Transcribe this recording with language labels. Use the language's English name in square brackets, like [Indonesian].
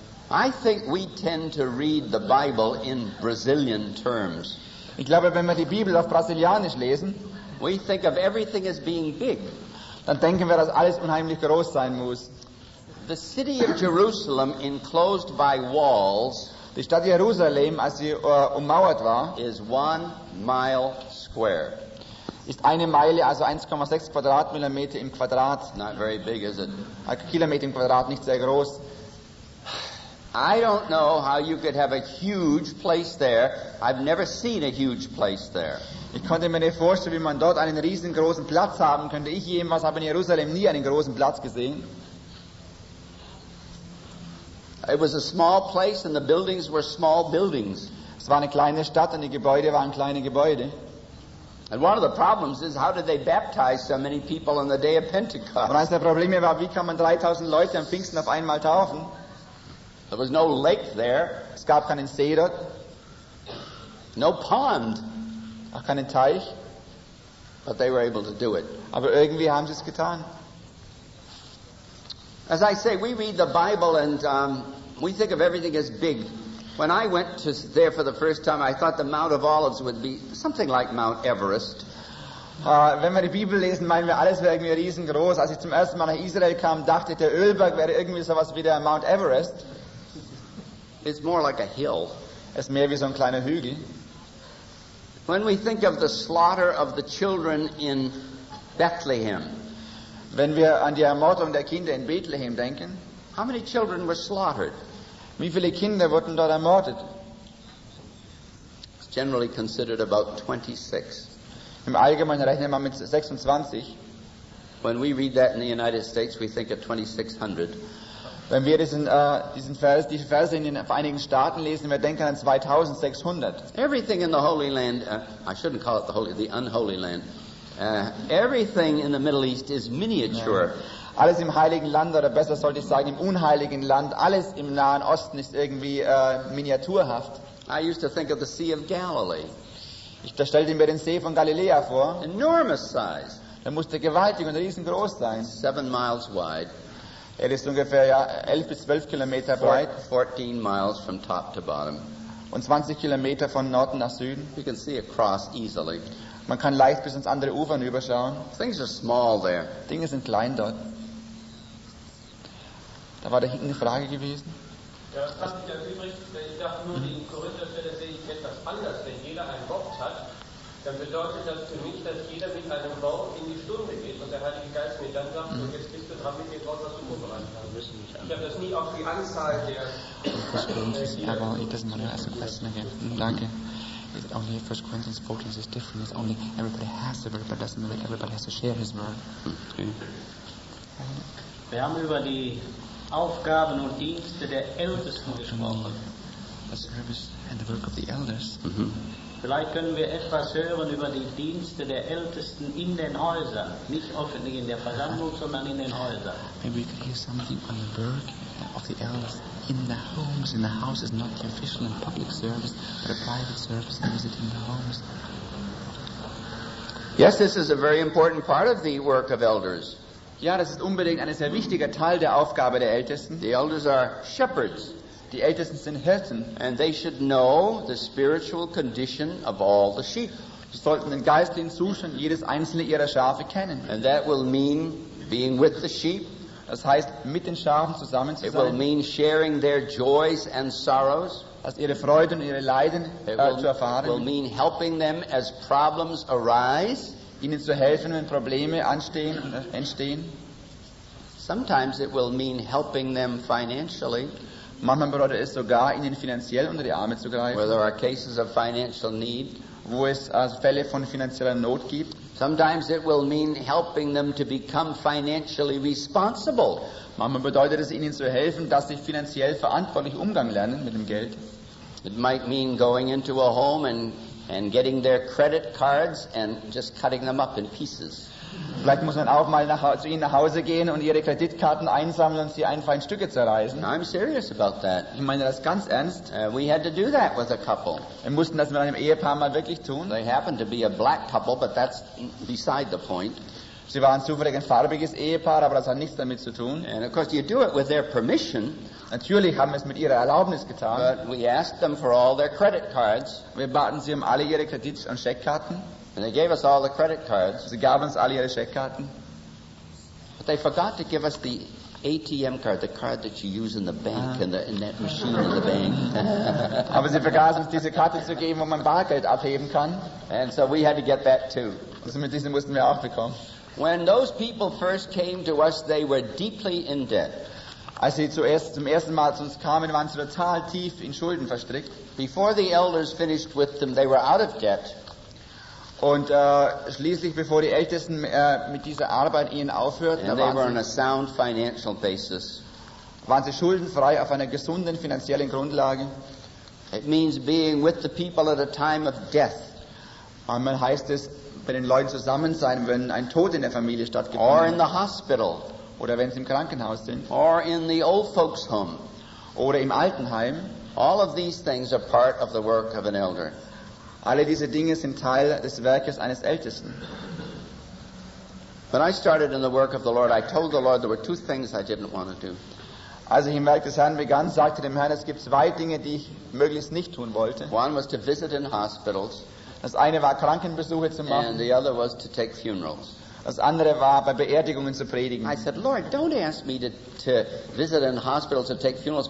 [English] I think we tend to read the Bible in Brazilian terms. [German] Ich glaube, wenn wir die Bibel auf Brasilianisch lesen, [English] we think of everything as being big. [German] Dann denken wir, dass alles unheimlich groß sein muss. [English] The city of Jerusalem enclosed by walls, [German] die Stadt Jerusalem, als sie ummauert war, [English] is 1 mile square. [German] Ist eine Meile, also 1,6 Quadratmillimeter im Quadrat. [English] Not very big, is it? [German] Ein Kilometer im Quadrat, nicht sehr groß. [English] I don't know how you could have a huge place there. I've never seen a huge place there. [German] Ich konnte mir nicht vorstellen, wie man dort einen riesengroßen Platz haben könnte. Ich jemals habe in Jerusalem nie einen großen Platz gesehen. [English] It was a small place and the buildings were small buildings. [German] Es war eine kleine Stadt und die Gebäude waren kleine Gebäude. [English] And one of the problems is how did they baptize so many people on the day of Pentecost? [German] Und eines der Probleme war, wie kann man 3000 Leute am Pfingsten auf einmal taufen? [English] There was no lake there. [German] Es gab keinen See dort. [English] No pond. [German] Auch keinen Teich. [English] But they were able to do it. [German] Aber irgendwie haben sie es getan. [English] As I say, we read the Bible and we think of everything as big. When I went to there for the first time, I thought the Mount of Olives would be something like Mount Everest. [German] Wenn wir die Bibel lesen, meinen wir, alles wäre irgendwie riesengroß. Als ich zum ersten Mal nach Israel kam, dachte ich, der Ölberg wäre irgendwie sowas wie der Mount Everest. [English] It's more like a hill. [German] Es ist mehr wie so ein kleiner Hügel. [English] When we think of the slaughter of the children in Bethlehem, [German] wenn wir an die Ermordung der Kinder in Bethlehem denken, [English] how many children were slaughtered? [German] Wie viele Kinder wurden dort ermordet? [English] It's generally considered about 26. [German] Im Allgemeinen rechnet man mit 26. [English] When we read that in the United States, we think of 2600. [German] Wenn wir diese Verse in den Vereinigten Staaten lesen, wir denken an 2600. [English] Everything in the Holy Land, I shouldn't call it the unholy land. Everything in the Middle East is miniature. Yeah. [German] Alles im Heiligen Land, oder besser sollte ich sagen, im unheiligen Land, alles im Nahen Osten ist irgendwie miniaturhaft. [English] I used to think of the Sea of Galilee. [German] Ich stellte mir den See von Galiläa vor. [English] Enormous size. [German] Er musste gewaltig und riesengroß sein. [English] 7 miles wide. [German] Er ist ungefähr 11 bis 12 Kilometer breit. [English] 14 miles from top to bottom. [German] Und 20 Kilometer von Norden nach Süden. [English] You can see across easily. [German] Man kann leicht bis ins andere Ufer überschauen. [English] Things are small there. [German] Dinge sind klein dort. Da war da hinten eine Frage gewesen. Ja, das fand ich ganz übrig. Ich dachte nur, die Korintherstelle sehe ich etwas anders. Wenn jeder einen Bock hat, dann bedeutet das für mich, dass jeder mit einem Bauch in die Stunde geht und der Heilige Geist mir dann sagt, und jetzt bist du dran mit dem Wort, was du vorbereitet hast. Ich habe das nie auf die Anzahl der... [English] First Corinthians, it doesn't matter, ask a question again. [German] Danke. [English] It's only First Corinthians 14 is different. It's only everybody has the word, but doesn't mean that everybody has to share his word. [German] Wir haben über die Aufgaben und Dienste der Ältesten gesprochen. [English] The service and the work of the elders. [German] Vielleicht können wir etwas hören über die Dienste der Ältesten in den Häusern, nicht öffentlich in der Versammlung, sondern in den Häusern. [English] Maybe we could hear something on the work of the elders in the homes, in the houses, not the official and public service, but a private service and visiting the homes. Yes, this is a very important part of the work of elders. [German] Ja, das ist unbedingt ein sehr wichtiger Teil der Aufgabe der Ältesten. [English] The elders are shepherds. [German] Die Ältesten sind Hirten. [English] And they should know the spiritual condition of all the sheep. [German] Sie sollten den geistlichen Zustand jedes einzelne ihrer Schafe kennen. [English] And that will mean being with the sheep. [German] Das heißt, mit den Schafen zusammen zu sein. [English] It will mean sharing their joys and sorrows. [German] Also ihre Freuden und ihre Leiden zu erfahren. [English] It will mean helping them as problems arise. [German] Ihnen zu helfen, wenn Probleme anstehen und entstehen. [English] Sometimes it will mean helping them financially. [German] Manchmal bedeutet es sogar, ihnen finanziell unter die Arme zu greifen. [English] Where there are cases of financial need. [German] Wo es Fälle von finanzieller Not gibt. [English] Sometimes it will mean helping them to become financially responsible. [German] Manchmal bedeutet es ihnen zu helfen, dass sie finanziell verantwortlich Umgang lernen mit dem Geld. [English] It might mean going into a home and getting their credit cards and just cutting them up in pieces. [German] Vielleicht muss man auch mal zu ihnen nach Hause gehen und ihre Kreditkarten einsammeln und sie einfach in Stücke zerreißen. [English] I'm serious about that. [German] Ich meine das ganz ernst. [English] We had to do that with a couple. [German] Wir mussten das mit einem Ehepaar mal wirklich tun. [English] They happened to be a black couple, but that's beside the point. [German] Sie waren zufällig ein farbiges Ehepaar, aber das hat nichts damit zu tun. [English] And of course you do it with their permission. [German] Natürlich haben wir es mit ihrer Erlaubnis getan. [English] But we asked them for all their credit cards. [German] Wir baten sie um alle ihre Kredit- und Scheckkarten. [English] And they gave us all the credit cards. [German] Sie gaben uns alle ihre Scheckkarten. [English] But they forgot to give us the ATM card, the card that you use in the bank, in that machine in the bank. [German] Aber sie vergaßen uns diese Karte zu geben, wo man Bargeld abheben kann. [English] And so we had to get that too. [German] Also mit diesen mussten wir auch bekommen. [English] When those people first came to us, they were deeply in debt. [German] Als sie zum ersten Mal zu uns kamen, waren sie total tief in Schulden verstrickt. [English] Before the elders finished with them, they were out of debt. [German] Und schließlich, bevor die Ältesten mit dieser Arbeit ihnen aufhörten, [English] and they were on a sound financial basis. [German] Waren sie schuldenfrei auf einer gesunden finanziellen Grundlage. [English] It means being with the people at a time of death. [German] Manchmal heißt es, bei den Leuten zusammen sein, wenn ein Tod in der Familie stattgefunden hat. [English] Or in the hospital. [German] Oder wenn sie im Krankenhaus sind. [English] Or in the old folks home. [German] Oder im Altenheim. [English] All of these things are part of the work of an elder. [German] Alle diese Dinge sind Teil des Werkes eines Ältesten. [English] When I started in the work of the Lord, I told the Lord there were two things I didn't want to do. [German] Als ich im Werk des Herrn begann, sagte dem Herrn, es gibt zwei Dinge, die ich möglichst nicht tun wollte. [English] One was to visit in hospitals. [German] Das eine war Krankenbesuche zu machen. [English] And the other was to take funerals. [German] Das andere war bei Beerdigungen zu predigen. [English] I said, Lord, don't ask me to visit in hospitals to take funerals.